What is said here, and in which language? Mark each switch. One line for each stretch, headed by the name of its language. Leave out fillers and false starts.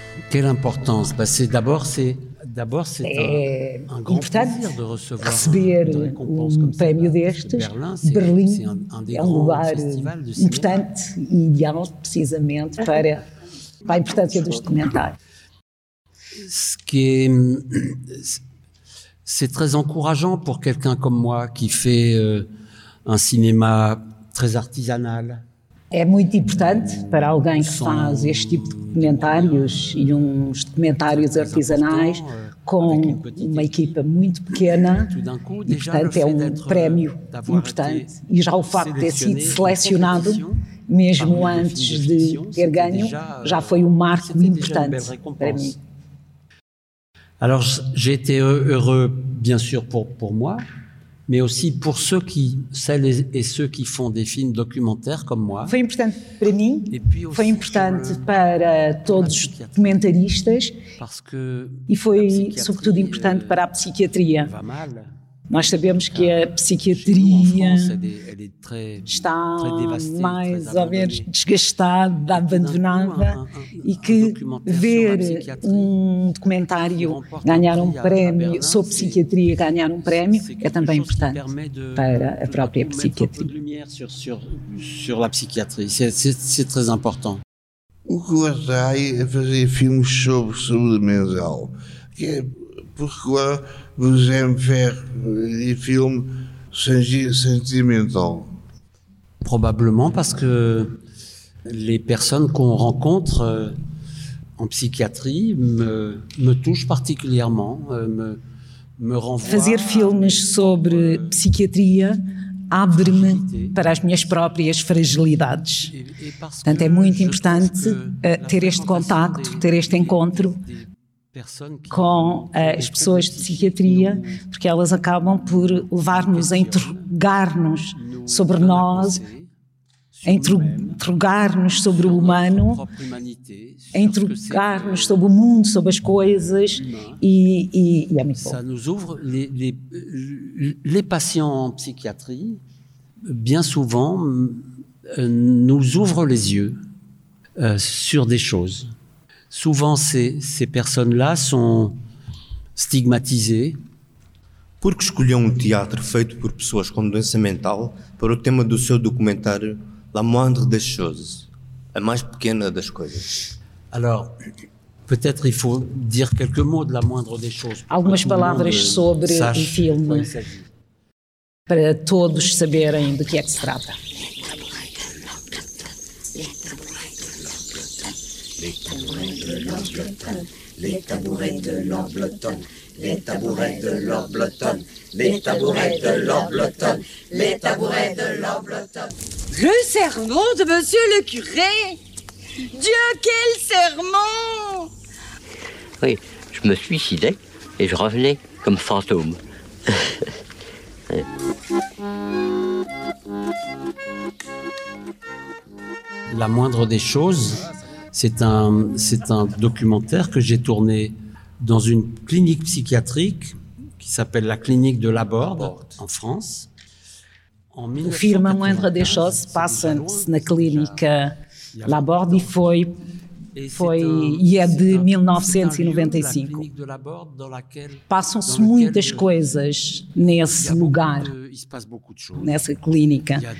French: Quelle importance? Bah, c'est d'abord, c'est... D'abord, c'est un grand plaisir de recevoir
Portuguese: receber un prémio destes. Berlim é um lugar importante e ideal, precisamente, para a importância dos documentários.
French: Ce qui est... C'est très encourageant pour quelqu'un comme moi qui fait... Um cinema très artisanal.
Portuguese: É muito importante para alguém que faz este tipo de documentários e uns documentários artesanais com uma equipa muito pequena e, portanto, é um prémio importante. E já o facto de ter sido selecionado, mesmo antes de ter ganho, já foi um marco importante para mim.
French: Alors, j'ai été heureux, bien sûr, pour moi. Mais aussi pour ceux qui, celles et ceux qui font des films documentaires comme moi.
Portuguese: Foi importante para mim, foi importante para todos os documentaristas e foi sobretudo importante para a psiquiatria. Nós sabemos que a psiquiatria está mais ou menos desgastada, abandonada e que ver um documentário ganhar um prémio sobre psiquiatria ganhar um prémio é também importante para a própria psiquiatria.
French: Sur la psychiatrie, c'est très important.
Portuguese: O que eu acho é fazer filmes sobre saúde mental, que porque
French: vous aimez faire des films sentimentaux? Probablement parce que les personnes qu'on rencontre en psychiatrie me touchent particulièrement, me renvoient.
Portuguese: Fazer filmes sobre psiquiatria abre-me para as minhas próprias fragilidades. Portanto, é muito importante ter este contacto, ter este encontro com as pessoas de psiquiatria, porque elas acabam por levar-nos a interrogar-nos sobre nós, a interrogar-nos sobre o humano, a interrogar-nos sobre o mundo, sobre as coisas, e é muito bom.
French: Ça nous ouvre les patients en psychiatrie, bien souvent, nous ouvre les yeux sur des choses. Souvent, ces personnes-là sont stigmatisées.
Portuguese: Porque escolheu um teatro feito por pessoas com doença mental para o tema do seu documentário La Moindre des Choses, a mais pequena das coisas.
French: Alors, peut-être il faut dire quelques mots de La Moindre des Choses.
Portuguese: Algumas palavras sobre o filme para todos saberem de que é que se trata.
French: Le sermon de monsieur le curé. Dieu, quel sermon! Oui, je me suicidais et je revenais comme fantôme. La moindre des choses, c'est un documentaire que j'ai tourné dans une clinique psychiatrique qui s'appelle la clinique de Laborde en France.
Portuguese: O filme A Moindre des Choses passa-se na clínica Laborde e é de 1995. Passam-se muitas coisas nesse lugar, nessa clínica.